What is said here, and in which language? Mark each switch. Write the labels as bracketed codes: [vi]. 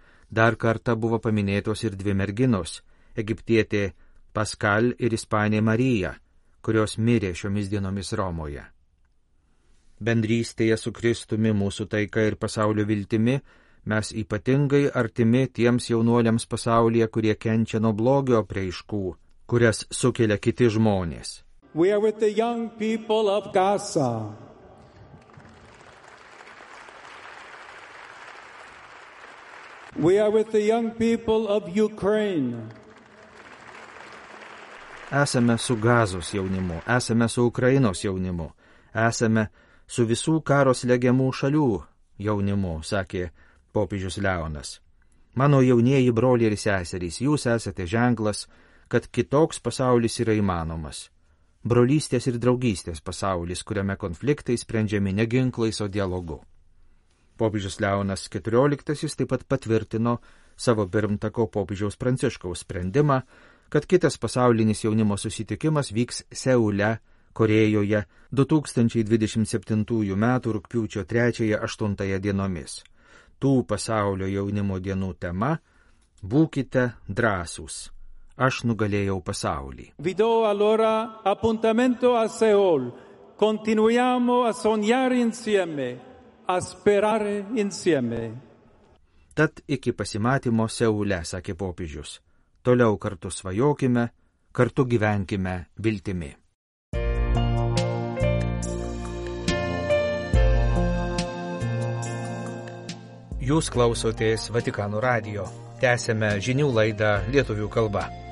[lt] Dar kartą buvo paminėtos ir dvi merginos – egiptietė Pascal ir ispanė Marija, kurios mirė šiomis dienomis Romoje. Bendrystėje su Kristumi mūsų taika ir pasaulio viltimi mes ypatingai artimi tiems jaunuoliams pasaulyje, kurie kenčia nuo blogio apreiškų, kurias sukelia kiti žmonės. [en] We are with the young people of Gaza. We are with the young people of Ukraine. [lt] Esame su Gazos jaunimu, esame su Ukrainos jaunimu, esame su visų karo slegiamų šalių jaunimu, sakė popiežius Leonas. Mano jaunieji broliai ir seserys, jūs esate ženklas, kad kitoks pasaulis yra įmanomas. Brolystės ir draugystės pasaulis, kuriame konfliktai sprendžiami ne ginklais, o dialogu. Popiežius Leonas XIV taip pat patvirtino savo pirmtako popiežiaus Pranciškaus sprendimą, kad kitas pasaulinis jaunimo susitikimas vyks Seule, Korėjoje, 2027 metų rugpjūčio 3-8 dienomis. Tų pasaulio jaunimo dienų tema – būkite drąsūs. Aš nugalėjau pasaulį. [it] Vido allora appuntamento a Seul. Continuiamo a sognare insieme, a sperare insieme. [lt] Tad iki pasimatymo Seule, sakė popiežius. Toliau kartu svajokime, kartu gyvenkime viltimi. Jūs klausotės Vatikano radijo. Tęsiame žinių laidą lietuvių kalba.